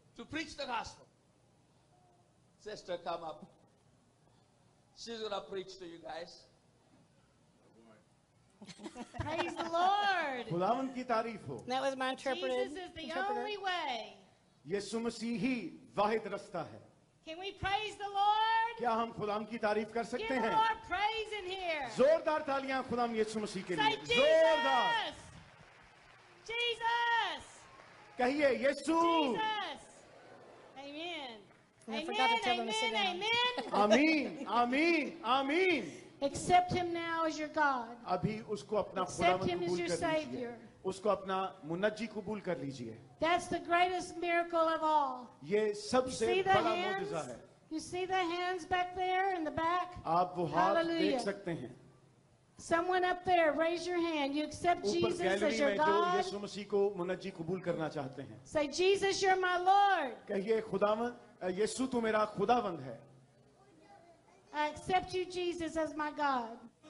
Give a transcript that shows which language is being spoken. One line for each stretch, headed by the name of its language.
English: to preach the gospel sister come up she's gonna preach to you guys praise the lord
Urdu: خداوند کی تعریف ہو
English: that was my interpreter Jesus is the only way
Urdu: یسوع مسیح ہی واحد راستہ ہے
English: Can we praise the Lord?
Urdu: کیا ہم خدا کی تعریف کر سکتے ہیں?
English: Give the Lord praise in here.
Urdu: زوردار تالیاں خدا یسوع مسیح کے لیے.
English: Say Jesus.
Urdu: زوردار.
English: Jesus.
Urdu: کہیے یسوع.
English: Jesus. Amen. Amen. Amen.
Urdu: آمین. آمین. آمین.
English: Accept him now as your God.
Urdu: ابھی اس کو اپنا خدا قبول کر لیجئے. اس کو اپنا منجی قبول کر لیجئے.
English: That's the greatest miracle of all.
Urdu: یہ سب سے بڑا معجزہ ہے.
English: You see the hands back there in the back?
Urdu: آپ وہ ہاتھ دیکھ سکتے ہیں.
English: Someone up there, raise your hand. You accept Jesus as your God?
Urdu: اوپر گیلری میں جو یسوع مسیح کو منجی قبول کرنا چاہتے ہیں.
English: Say Jesus, you're my Lord.
Urdu: کہیے خداوند یسوع تو میرا خداوند ہے.
English: I accept you, Jesus, as my God.